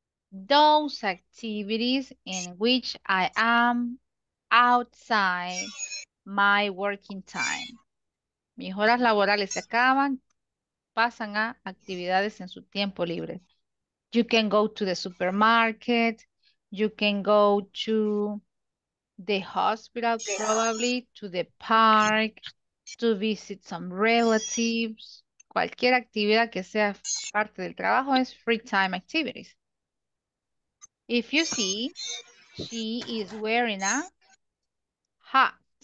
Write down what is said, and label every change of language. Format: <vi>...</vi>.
<en>Those activities in which I am outside my working time.</en> <es>Mis horas laborales se acaban, pasan a actividades en su tiempo libre.</es> <en>You can go to the supermarket. You can go to the hospital, probably, to the park, to visit some relatives.</en> <es>Cualquier actividad que sea parte del trabajo es</es> <en>free time activities. If you see, she is wearing a hat.</en>